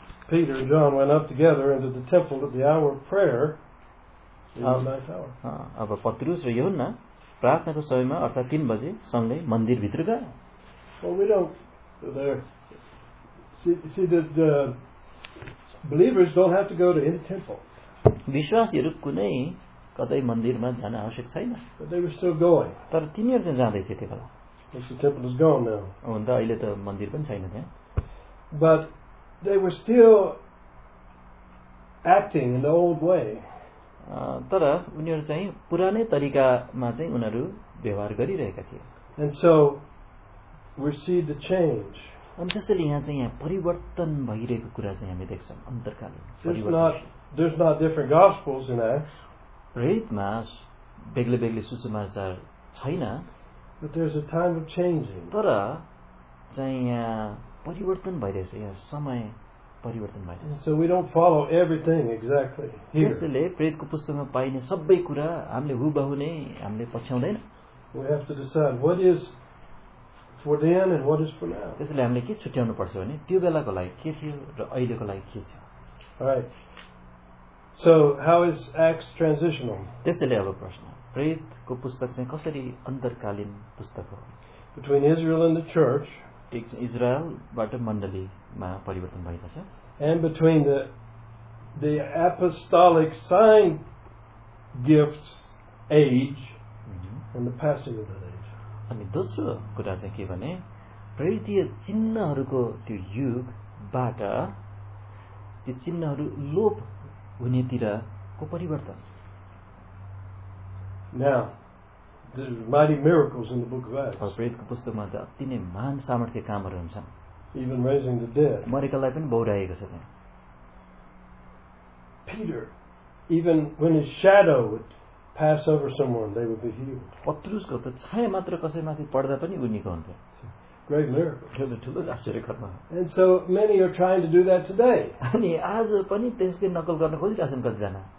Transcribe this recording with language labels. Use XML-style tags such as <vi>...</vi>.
<en>Peter and John went up together into the temple at the hour of prayer.</en> <ne>अब पत्रुस र यूहन्ना प्रार्थनाको समयमा अर्थात् 3 बजे सँगै मन्दिर भित्र गए.</ne> <en>Well, we don't see that the believers don't have to go to any temple.</en> <ne>विश्वासीहरू कुनै कतै मन्दिरमा जान आवश्यक छैन.</ne> <en>But they were still going.</en> <ne>तर तिनीहरू चाहिँ जाँदै थिए त्यति बेला.</ne> <en>But the temple is gone now.</en> <ne>अन्त अहिले त मन्दिर पनि छैन त्यहाँ.</ne> <en>But they were still acting in the old way.</en> <ne>तर उनीहरू चाहिँ पुरानै तरिकामा चाहिँ उनीहरू व्यवहार गरिरहेका थिए.</ne> <en>And so we see the change.</en> <ne>अनि त्यसैले यहाँ चाहिँ यहाँ परिवर्तन भइरहेको कुरा चाहिँ हामी देख्छौँ अन्तर्कालीन.</ne> <en>There's not different gospels in Acts.</en> <ne>रेतमा बेग्ले बेग्ले सुसमाचार छैन.</ne> <en>But there's a time of changing.</en> <ne>तर चाहिँ यहाँ परिवर्तन भइरहेछ, यहाँ समय परिवर्तन भइरहेछ.</ne> <en>So we don't follow everything exactly here.</en> <ne>त्यसैले प्रेरितको पुस्तकमा पाइने सबै कुरा हामीले हुबहु नै हामीले पछ्याउँदैन.</ne> <en>We have to decide what is for then and what is for now.</en> <ne>त्यसैले हामीले के छुट्याउनु पर्छ भने त्यो बेलाको लागि के थियो र अहिलेको लागि के छ.</ne> <en>Right. So how is Acts transitional?</en> <ne>त्यसैले अब प्रश्न, प्रेरितको पुस्तक चाहिँ कसरी अन्तर्कालीन पुस्तक हो?</ne> <en>Between Israel and the church.</en> <ne>इजरायलबाट मण्डलीमा परिवर्तन भएको छ.</ne> <en>And between the apostolic sign gifts age and the passing of that age.</en> <ne>अनि दोस्रो कुरा चाहिँ के भने प्रेरितीय चिन्हहरूको त्यो युगबाट त्यो चिन्हहरू लोप हुनेतिरको परिवर्तन.</ne> <en>Now, there's mighty miracles in the book of Acts.</en> <ne>प्रेरितको पुस्तकमा त अति नै महान सामर्थ्य कामहरू हुन्छन्.</ne> <en>Even raising the dead.</en> <ne>मरेकालाई पनि बौडाएको छ त्यहाँ.</ne> <en>Peter, even when his shadow would pass over someone, they would be healed.</en> <ne>पत्रुसको त छाया मात्र कसैमाथि पर्दा पनि उनीको हुन्थ्यो.</ne> <en>Great miracle.</en> <ne>ठुलो आश्चर्य खत्म.</ne> <en>And so many are trying to do that today.</en> <ne>अनि आज पनि त्यसकै नकल गर्न खोजिरहेछन् कतिजना.</ne>